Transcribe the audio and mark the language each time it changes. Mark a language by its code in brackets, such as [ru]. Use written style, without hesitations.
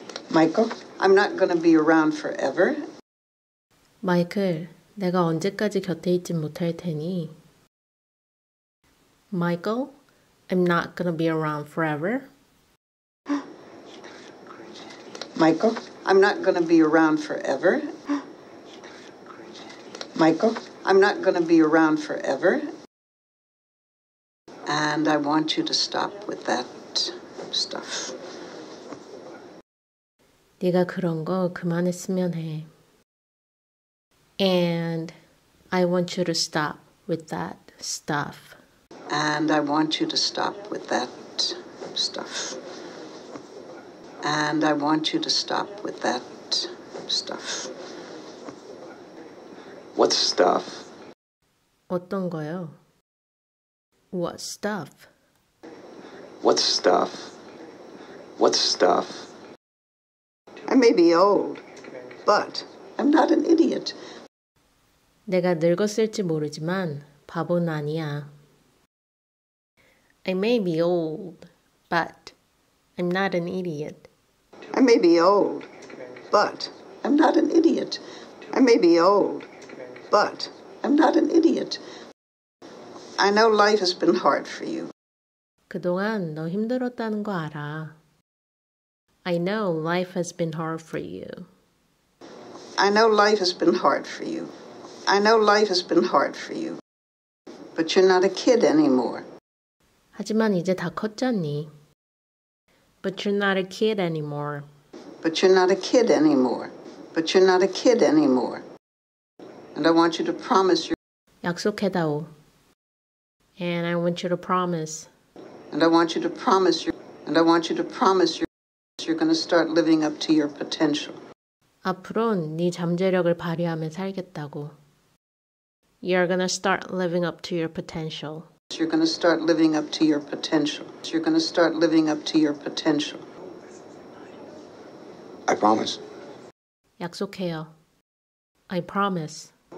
[en] Michael, I'm not going to be around forever. [ko] 마이클, 내가 언제까지 곁에 있지 못할 테니. [en] Michael, I'm not going to be around forever. Michael, I'm not going to be around forever. Michael, I'm not going to be around forever. And I want you to stop with that stuff. [ko] 네가 그런 거 그만했으면 해. [en] And I want you to stop with that stuff. And I want you to stop with that stuff. And I want you to stop with that stuff. What stuff? [ko] 어떤 거요? [en] What stuff? What stuff? What stuff? I may be old, but I'm not an idiot. [ko] 내가 늙었을지 모르지만 바보는 아니야. [en] I may be old, but I'm not an idiot. I may be old, but I'm not an idiot. I may be old, but I'm not an idiot. I know life has been hard for you. [ko] 그동안 너 힘들었다는 거 알아. [en] I know life has been hard for you. I know life has been hard for you. I know life has been hard for you. But you're not a kid anymore. [ko] 하지만 이제 다 컸잖니. [en] But you're not a kid anymore. But you're not a kid anymore. But you're not a kid anymore. And I want you to promise your [ko] 약속해다오. [en] And I want you to promise. And I want you to promise your And I want you to promise you're going to start living up to your potential. [ko] 앞으로는 네 잠재력을 발휘하며 살겠다고. [en] You're going to start living up to your potential. You're going to start living up to your potential. You're going to start living up to your potential. I promise. [ko] 약속해요. [en] I promise.